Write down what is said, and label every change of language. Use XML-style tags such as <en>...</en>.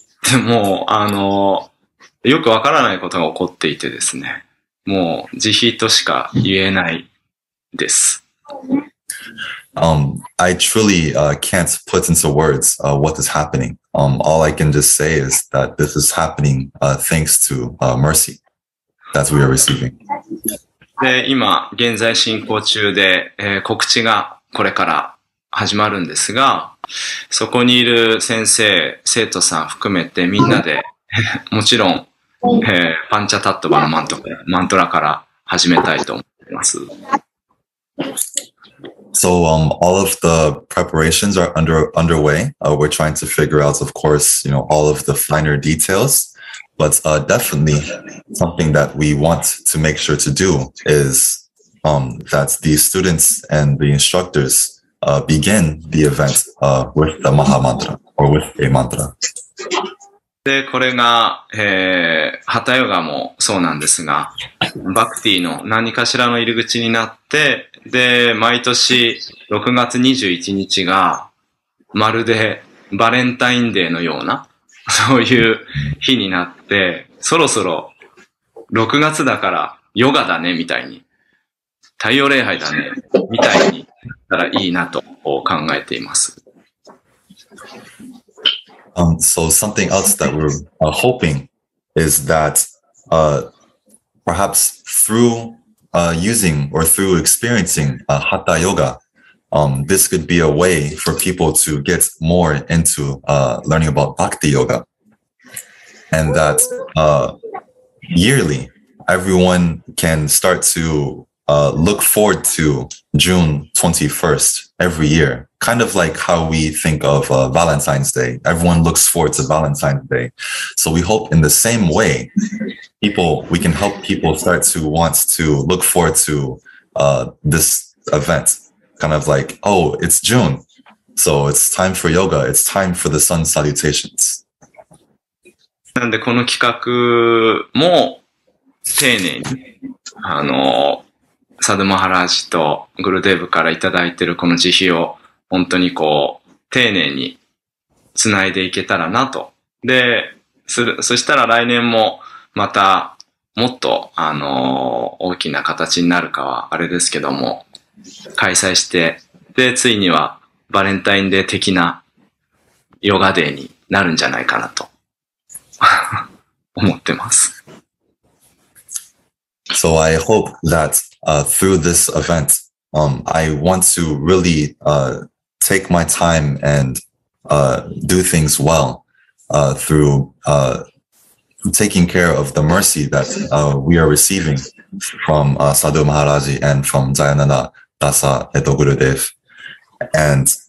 <ja>でも、よくわからないことが起こっていてですね。もう、慈悲としか言えないです。</ja> <en>I truly can't put into words what is happening. All I can just say is that this is happening thanks to mercy that we are receiving.</en> <ja>で、今現在進行中で、告知がこれから始まるんですが、そこにいる先生、生徒さん含めてみんなでもちろん、パンチャタットバのマントラから始めたいと思います。</ja> <en>So, all of the preparations are underway. We're trying to figure out, of course, you know, all of the finer details. But, definitely something that we want to make sure to do is, that the students and the instructors, begin the event, with the Maha Mantra or with a mantra.</en> <ja>で、これが、ハタヨガもそうなんですが、バクティの何かしらの入り口になって、で、毎年6月21日がまるでバレンタインデーのようなそういう日になって、そろそろ6月だからヨガだねみたいに、太陽礼拝だねみたいにしたらいいなと考えています。</ja> <en>So something else that we're hoping is that perhaps through using or through experiencing Hatha Yoga, this could be a way for people to get more into learning about Bhakti Yoga. And that yearly, everyone can start to look forward to June 21st every year, kind of like how we think of Valentine's Day. Everyone looks forward to Valentine's Day. So we hope in the same way, we can help people start to want to look forward to this event, kind of like, oh, it's June. So it's time for yoga. It's time for the sun salutations.</en> <ja>なんでこの企画も丁寧に、サドマハラージとグルデーブからいただいているこの慈悲を本当にこう丁寧につないでいけたらなと。で、そしたら来年もまたもっと大きな形になるかはあれですけども、開催して、で、ついにはバレンタインデー的なヨガデーになるんじゃないかなと思ってます。</ja> <en>So I hope that through this event, I want to really take my time and do things well through taking care of the mercy that we are receiving from Sadhu Maharaji and from Dayananda Dasa Eto Gurudev. And</en>